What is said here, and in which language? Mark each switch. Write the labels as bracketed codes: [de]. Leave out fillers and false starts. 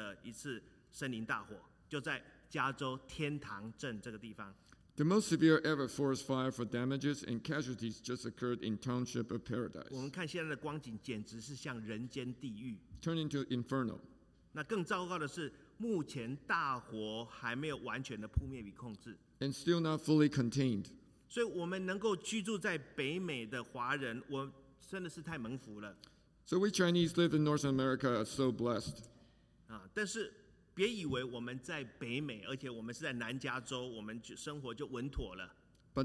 [zh] 最近发生美国有史以来财务损失、人员伤亡最严重的一次森林大火。就在加州天堂镇这个地方。 [en] The most severe ever forest fire for damages and casualties just occurred in Township of Paradise. [zh] 我们看现在的光景简直是像人间地狱。 [en] Turn into inferno. [zh] 那更糟糕的是，目前大火还没有完全的扑灭与控制。 [en] And still not fully contained. [zh] 所以我们能够居住在北美的华人，我真的是太蒙福了。 [en] So we Chinese live in North America are so blessed. [zh] 但是。别以为我们在北美，而且我们是在南加州，我们生活就稳妥了。 [en] But